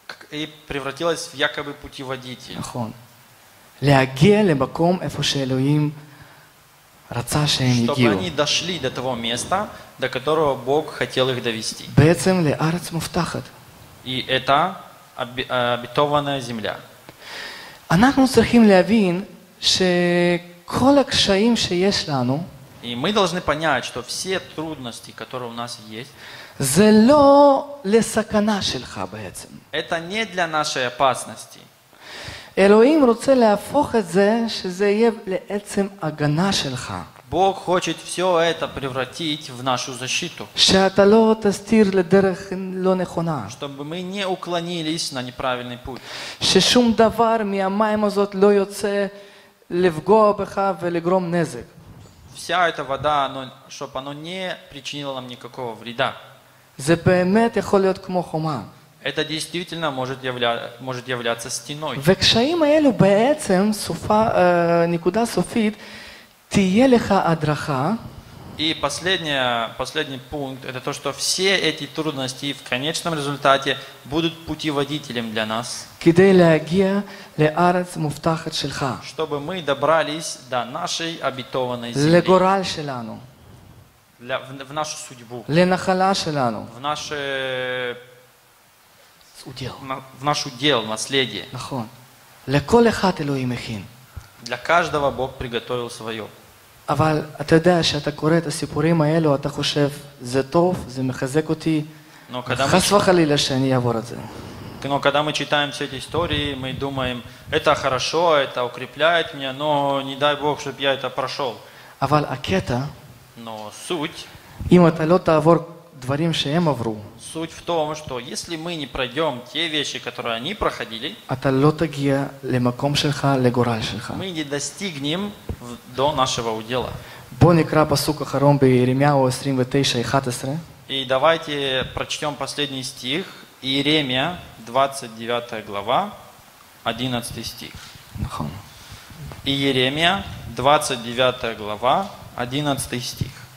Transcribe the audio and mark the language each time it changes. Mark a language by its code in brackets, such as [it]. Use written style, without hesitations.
[ru] И превратилось в якобы путеводитель. [he] נכון. להגיע למקום איפה שאלוהים רצה שהם יגיעו. [ru] Чтобы они дошли до того места, до которого Бог хотел их довести. [he] בעצם לארץ מובטחת. [ru] И это обетованная земля. [he] אנחנו צריכים להבין שכל הקשיים שיש לנו, [ru] и мы должны понять, что все трудности, которые у нас есть, [he] זה לא לסכנה שלך בעצם. [ru] Это не для нашей опасности. [he] אלוהים רוצה להפוך את זה, שזה יהיה לעצם הגנה שלך. [ru] Бог хочет все это превратить в нашу защиту. [he] שאתה לא תסתיר לדרך לא נכונה. [ru] Чтобы мы не уклонились на неправильный путь. [he] ששום דבר מהמים הזאת לא יוצא לפגוע בך ולגרום נזק. [ru] Вся эта вода, оно, чтобы оно не причинило нам никакого вреда. [he] זה באמת יכול להיות כמו חומה. [ru] Это действительно может являться стеной. [he] וקשיים האלו בעצם סופה, נקודה סופית, תהיה לך הדרכה. [ru] И последний пункт, это то, что все эти трудности в конечном результате будут путеводителем для нас. [he] כדי להגיע לארץ מובטחת שלך. [ru] Чтобы мы добрались до нашей обетованной земли. [he] לגורל שלנו. [ru] В нашу судьбу. [he] לנחלה שלנו. [ru] В наше... удел. В наш удел, наследие. [he] נכון. לכל אחד אלוהים הכין. [ru] Для каждого Бог приготовил свое. [he] אבל אתה יודע שאתה קורא את הסיפורים האלו, אתה חושב, זה טוב, זה מחזק אותי, חס וחלילה שאני אעבור את זה. [ru] Но когда мы читаем все эти истории, мы думаем, это хорошо, это укрепляет меня, но не дай Бог, чтобы я это прошел. [he] אבל הקטע, [ru] но суть, [he] אם אתה לא תעבור דברים שהם עברו, [ru] суть в том, что если мы не пройдем те вещи, которые они проходили, [he] אתה לא תגיע למקום שלך, לגורל שלך. [ru] Мы не достигнем до нашего удела. [he] בוא נקרא פסוק אחרון בירמיהו 29:11. [ru] И давайте прочтем последний стих, Иеремия, 29 глава, 11 стих. [he] נכון. [ru] Иеремия, 29 глава, 11 стих.